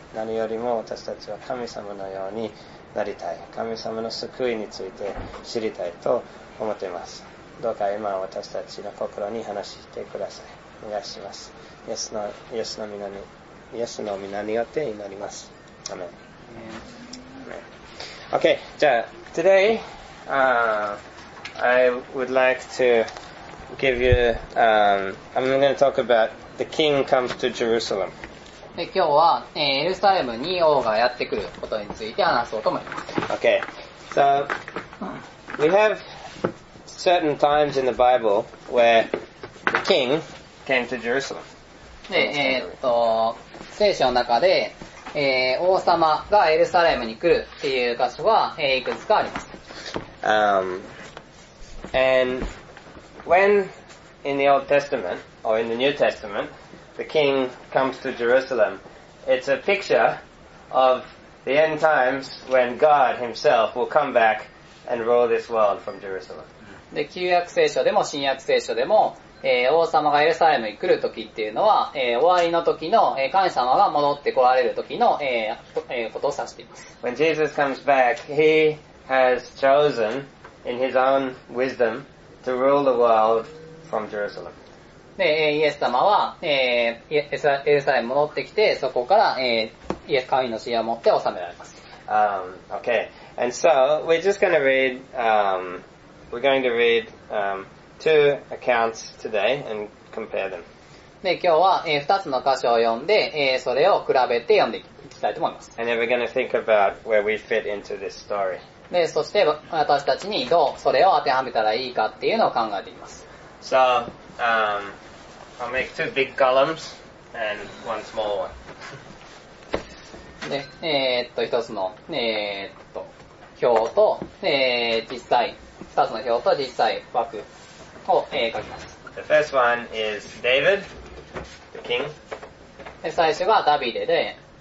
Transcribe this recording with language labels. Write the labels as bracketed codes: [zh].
[ja] 何よりも私たちは神様のようになりたい、神様の救いについて知りたいと思っています。どうか今私たちの心に話してください。お願いします。イエスの御名によって祈ります。アメン。 [en] OK じゃあ today、I would like to give you、I'm going to talk aboutThe king comes to Jerusalem. [ja] で今日は、エルサレムに王がやってくることについて話そうと思います。 [en] Okay, so we have certain times in the Bible where the king came to Jerusalem. [ja] で聖書の中で、王様がエルサレムに来るっていう箇所は、いくつかあります。 [en] And when in the Old Testament,or in the New Testament, the king comes to Jerusalem. It's a picture of the end times when God himself will come back and rule this world from Jerusalem. [ja] で、旧約聖書でも新約聖書でも、王様がエルサレムに来る時っていうのは、終わりの時の、神様が戻って来られる時の、ことを指しています。 [en] When Jesus comes back, he has chosen in his own wisdom to rule the world from Jerusalem. [ja] で、イエス様は、エルサレムに戻ってきて、そこから、イエス神の旨意を持って治められます。 [en] Okay. And so, we're just going to read, two accounts today and compare them. [ja] で、今日は、二つの箇所を読んで、それを比べて読んでいきたいと思います。 [en] And then we're going to think about where we fit into this story. [ja] で、そして、私たちにどうそれを当てはめたらいいかっていうのを考えています。 [en] So,I'll make two big columns and one small one. [ja] で、一つの、表と、実際、二つの表と実際枠を、書きます。 [en] The first one is David, the king. [ja] で、最初はダビデで。